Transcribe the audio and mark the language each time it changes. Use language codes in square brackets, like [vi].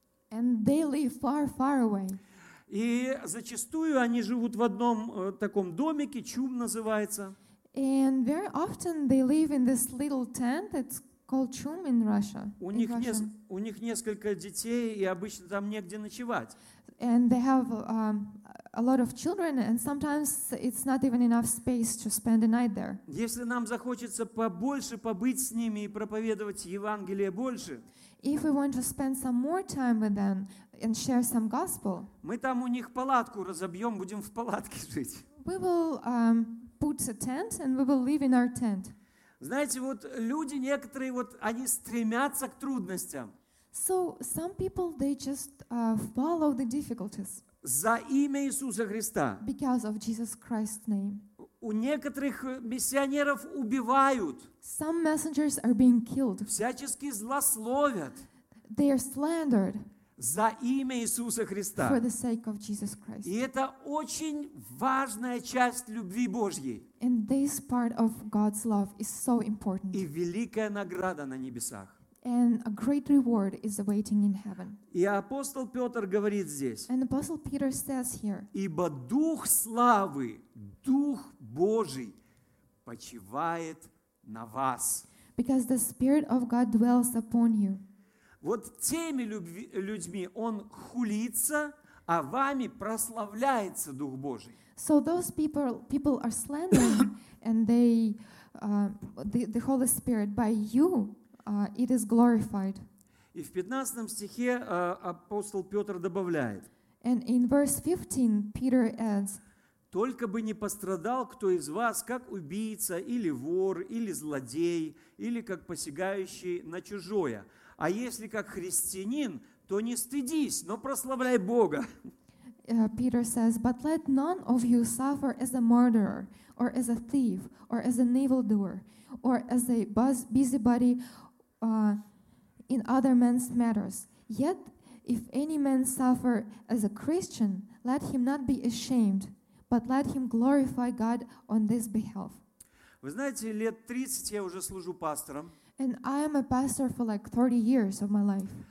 [en] And they live far, far away. [ru] И зачастую они живут в одном таком домике, чум называется. [en] And very often they live in this little tent. It's called chum in Russia. [ru] У них несколько детей, и обычно там негде ночевать. [en] And they have a lot of children, and sometimes it's not even enough space to spend a night there. [ru] Если нам захочется побольше побыть с ними и проповедовать Евангелие больше. [en] If we want to spend some more time with them and share some gospel. [ru] Мы там у них палатку разобьем, будем в палатке жить. [en] We will put a tent and we will live in our tent. [ru] Знаете, вот люди некоторые, вот они стремятся к трудностям. [en] So some people, they just follow the difficulties. [ru] За имя Иисуса Христа. [en] Because of Jesus Christ's name. [ru] У некоторых миссионеров убивают. [en] Some messengers are being killed. [ru] Всячески злословят. [en] They are slandered. [ru] За имя Иисуса Христа. [en] For the sake of Jesus Christ. [ru] И это очень важная часть любви Божьей. [en] And this part of God's love is so important. [ru] И великая награда на небесах. [en] And a great reward is awaiting in heaven. [ru] И апостол Петр говорит здесь. [en] And apostle Peter says here. [ru] Ибо дух славы, дух Божий, почивает на вас. [en] Because the spirit of God dwells upon you. [ru] Вот теми людьми он хулится, а вами прославляется Дух Божий. [en] So those people are slandering, and the Holy Spirit by you it is glorified. [ru] И в 15 стихе апостол Петр добавляет. [en] And in verse 15 Peter adds. [ru] Только бы не пострадал кто из вас, как убийца, или вор, или злодей, или как посягающий на чужое. А если как христианин, то не стыдись, но прославляй Бога. [en] Peter says, but let none of you suffer as a murderer, or as a thief, or as an evildoer, or as a busybody in other men's matters. Yet, if any man suffer as a Christian, let him not be ashamed, but let him glorify God on this behalf. [ru] Вы знаете, лет 30 я уже служу пастором. [en] And I am a pastor for like 30 years of my life.